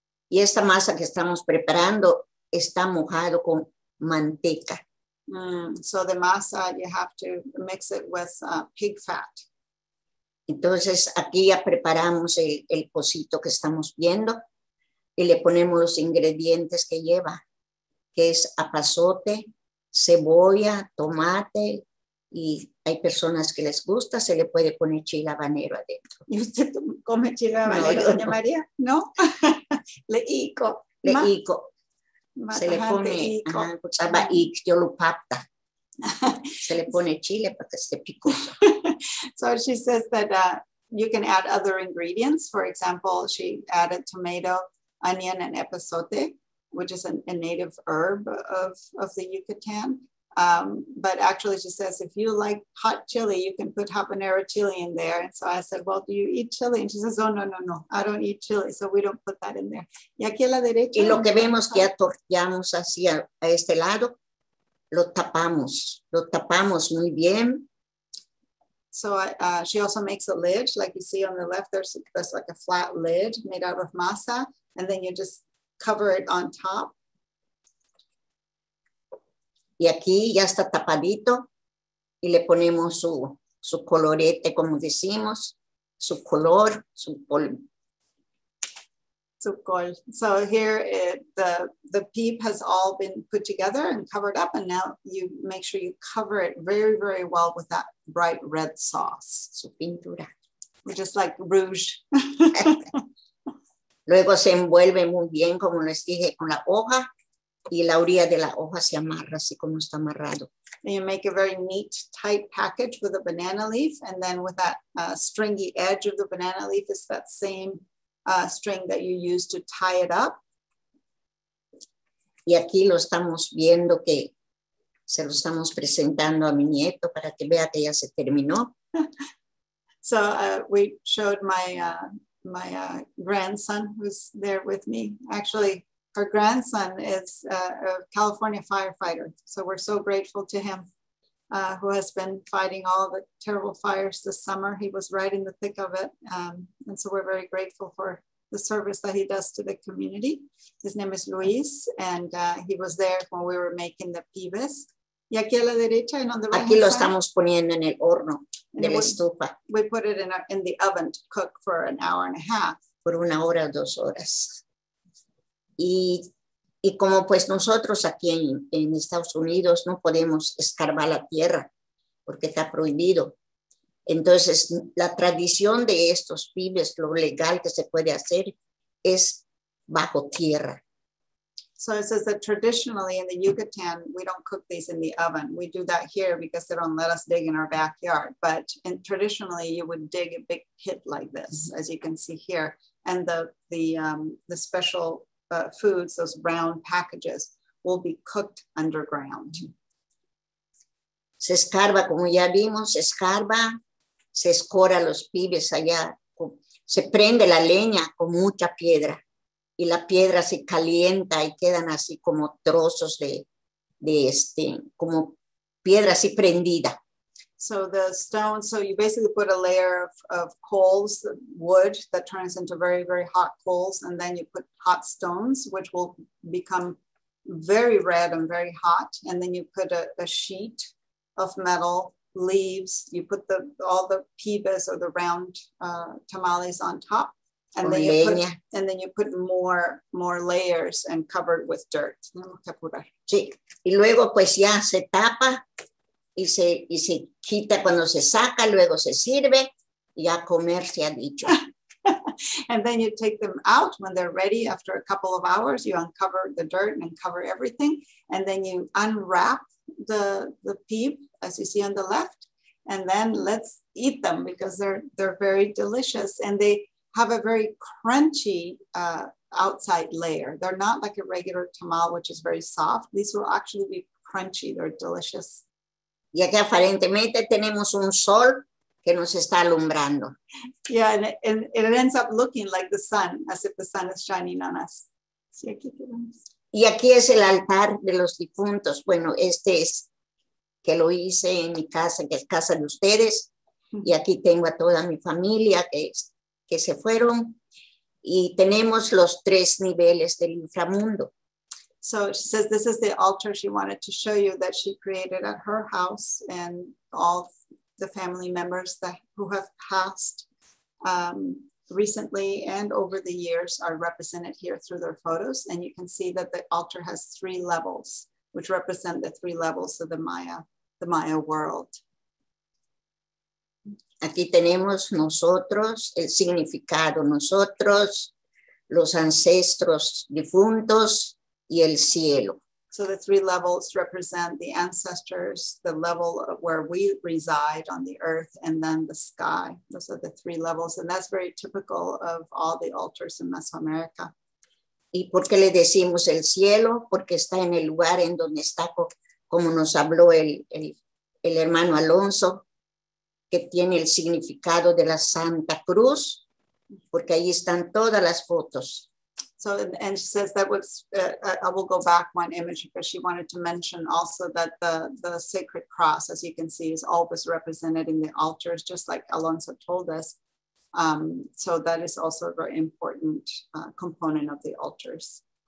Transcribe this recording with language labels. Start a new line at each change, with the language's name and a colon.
Spanish: Y esta masa que estamos preparando está mojado con manteca.
English: So the masa, you have to mix it with pig fat.
Spanish: Entonces aquí ya preparamos el pocito que estamos viendo y le ponemos los ingredientes que lleva, que es apazote, cebolla, tomate, y hay personas que les gusta, se le puede poner chile habanero adentro. ¿Y usted come chile habanero, doña María? ¿No? Leico. Se le pone, yo lo papta. Se le pone chile para que esté picoso.
English: So she says that you can add other ingredients. For example, she added tomato, onion, and epazote, which is a native herb of the Yucatan. But actually she says, if you like hot chili, you can put habanero chili in there. And so I said, well, do you eat chili? And she says, oh, no, no, no, I don't eat chili. So we don't put that in there.
Spanish: Y aquí a la derecha. Y lo que vemos que ya torteamos hacia a este lado, lo tapamos muy bien.
English: So she also makes a lid, like you see on the left, there's like a flat lid made out of masa. And then you just cover it on top.
Spanish: Y aquí ya está tapadito y le ponemos su, su colorete, como decimos, su color, su col. Su col.
English: So here it, the peep has all been put together and covered up. And now you make sure you cover it very, very well with that bright red sauce.
Spanish: Su pintura.
English: Just like rouge.
Spanish: Luego se envuelve muy bien, como les dije, con la hoja. Y la orilla de la hoja se amarra, así como está amarrado.
English: And you make a very neat, tight package with a banana leaf. And then with that stringy edge of the banana leaf, it's that same string that you use to tie it up.
Spanish: Y aquí lo estamos viendo que se lo estamos presentando a mi nieto para que vea que ya se terminó.
English: So we showed my, my grandson who's there with me, actually. Her grandson is a California firefighter. So we're so grateful to him who has been fighting all the terrible fires this summer. He was right in the thick of it. And so we're very grateful for the service that he does to the community. His name is Luis, and he was there when we were making the pibes.
Spanish: Y aquí a la derecha y
English: on the right.
Spanish: Aquí lo estamos poniendo en el horno, en la estufa.
English: We put it in, our, in the oven to cook for an hour and a half.
Spanish: Por una hora, dos horas. Y como pues nosotros aquí en Estados Unidos no podemos escarbar la tierra porque está prohibido. Entonces la tradición de estos pibes, lo legal que se puede hacer es bajo tierra.
English: So it says that traditionally in the Yucatan, we don't cook these in the oven. We do that here because they don't let us dig in our backyard. But in, traditionally you would dig a big pit like this, mm-hmm. as you can see here. And the special foods, those brown packages, will be cooked underground.
Spanish: Se escarba, como ya vimos, se escarba, se escora los pibes allá, se prende la leña con mucha piedra, y la piedra se calienta y quedan así como trozos de este, como piedra así prendida.
English: So the stone, so you basically put a layer of coals, wood that turns into very, very hot coals. And then you put hot stones, which will become very red and very hot. And then you put a sheet of metal, leaves, you put the all the pibes or the round tamales on top. And then, you put, and then you put more layers and cover it with dirt.
Spanish: Sí. Y luego pues ya se tapa. Y se quita cuando se saca, luego se sirve y a comer se ha dicho.
English: And then you take them out when they're ready. After a couple of hours, you uncover the dirt and cover everything. And then you unwrap the peep, as you see on the left. And then let's eat them because they're very delicious. And they have a very crunchy outside layer. They're not like a regular tamal, which is very soft. These will actually be crunchy. They're delicious.
Spanish: Y aquí aparentemente tenemos un sol que nos está alumbrando.
English: Yeah, and it ends up looking like the sun, as if the sun is shining on us.
Spanish: Sí, aquí tenemos. Y aquí es el altar de los difuntos. Bueno, este es que lo hice en mi casa, que es casa de ustedes. Y aquí tengo a toda mi familia que se fueron. Y tenemos los tres niveles del inframundo.
English: So she says this is the altar she wanted to show you that she created at her house and all the family members that who have passed recently and over the years are represented here through their photos. And you can see that the altar has three levels, which represent the three levels of the Maya world.
Spanish: Aquí tenemos nosotros, el significado nosotros, los ancestros difuntos, y el cielo.
English: So the three levels represent the ancestors, the level of where we reside on the earth, and then the sky. Those are the three levels. And that's very typical of all the altars in Mesoamerica.
Spanish: ¿Y por qué le decimos el cielo? Porque está en el lugar en donde está como nos habló el hermano Alonso, que tiene el significado de la Santa Cruz, porque ahí están todas las fotos.
English: So, and she says that was, I will go back one image, because she wanted to mention also that the Sacred Cross, as you can see, is always represented in the altars, just like Alonso told us. So that is also a very important component of the altars.